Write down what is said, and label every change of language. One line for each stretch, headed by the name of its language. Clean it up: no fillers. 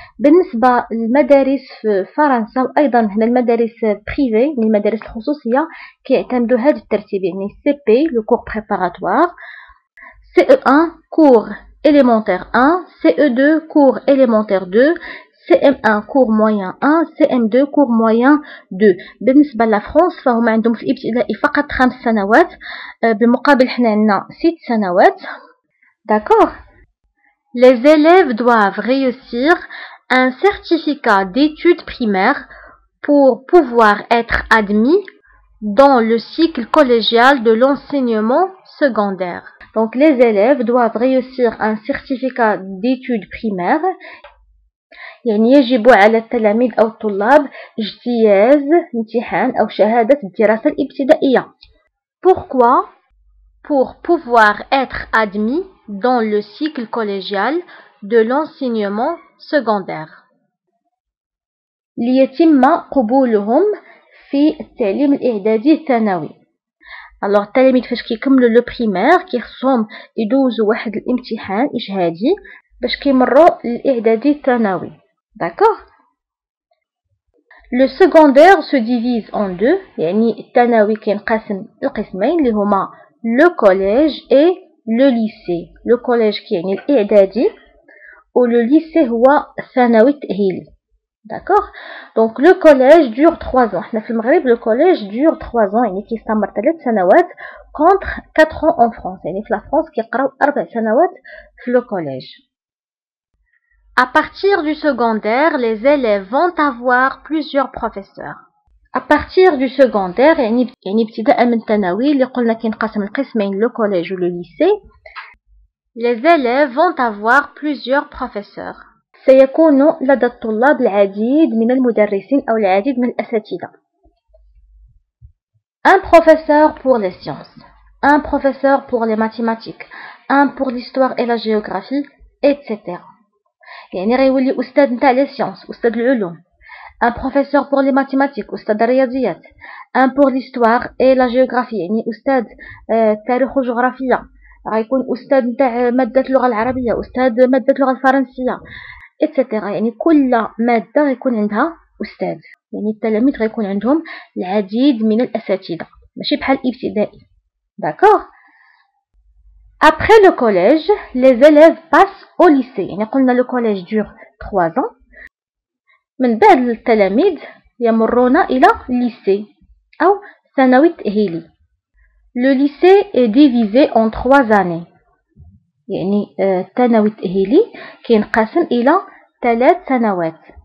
Arabic: بالنسبة للمدارس في فرنسا وأيضا هنا المدارس privée، يعني المدارس الخصوصية، كيعتمدوا هذا الترتيب، يعني
French: CP, le cours préparatoire, CE1, cours élémentaire 1, CE2, cours élémentaire 2, CM1 cours moyen 1, CM2 cours moyen 2.
Arabic: بالنسبه للفرنس فهم عندهم في الابتدائي فقط 5 سنوات بمقابل حنا عندنا 6 سنوات. داكور.
French: Les élèves doivent réussir un certificat d'études primaires pour pouvoir être admis dans le cycle collégial de l'enseignement secondaire. Donc les élèves doivent réussir un certificat d'études primaires.
Arabic: يعني يجب على التلاميذ أو الطلاب اجتياز امتحان أو شهادة الدراسة الابتدائية.
French: Pourquoi؟ Pour pouvoir être admis dans le cycle collégial de l'enseignement secondaire.
Arabic: ليتم قبولهم في التعليم الإعدادي الثانوي.
French: Alors
Arabic: التلاميذ فاش كيكملوا لو بريمير كيخصهم يدوزوا واحد الامتحان إجهادي باش كيمروا للإعدادي الثانوي.
French: D'accord. Le secondaire se divise en deux.
Arabic: يعني التناوي كينقسم لقسمين اللي هما
French: le collège et le lycée. Le collège
Arabic: كيعني الإعدادي و
French: le lycée
Arabic: هو ثانوي التأهيل.
French: D'accord? Donc le collège dure 3 ans. Dans le Maghreb, le collège dure 3 ans. Il y a qui s'amarre 3 années contre 4 ans en France. Il y a la France qui a 4 années le collège. À partir du secondaire, les élèves vont avoir plusieurs professeurs. À partir du secondaire,
Arabic: يعني ابتداء من الثانوي اللي قلنا كينقسم القسمين لو كوليج ولو ليسي,
French: les élèves vont avoir plusieurs professeurs.
Arabic: سيكون لدى الطلاب العديد من المدرسين او العديد من الاساتذه.
French: Un professeur pour les sciences, un professeur pour les mathématiques, un pour l'histoire et la géographie, etc.
Arabic: يعني غيولي استاذ نتاع لي سيونس, استاذ العلوم.
French: Un professeur pour les mathématiques,
Arabic: أستاذ الرياضيات.
French: Un pour l'histoire et la géographie,
Arabic: يعني أستاذ تاريخ وجغرافيا. غيكون أستاذ نتاع مادة اللغة العربية, أستاذ مادة اللغة الفرنسية, etc. يعني كل مادة غيكون عندها أستاذ, يعني التلاميذ غيكون عندهم العديد من الأساتذة, ماشي بحال ابتدائي. داكوغ.
French: Après le collège, les élèves passent au lycée.
Arabic: يعني قلنا
French: le collège dure 3 ans.
Arabic: من بعد التلاميذ يمرون الى ليسي او ثانوي تاهيلي. لو ليسي اي ديفيزي اون 3 اني, يعني الثانوي التاهيلي كينقسم الى 3 سنوات.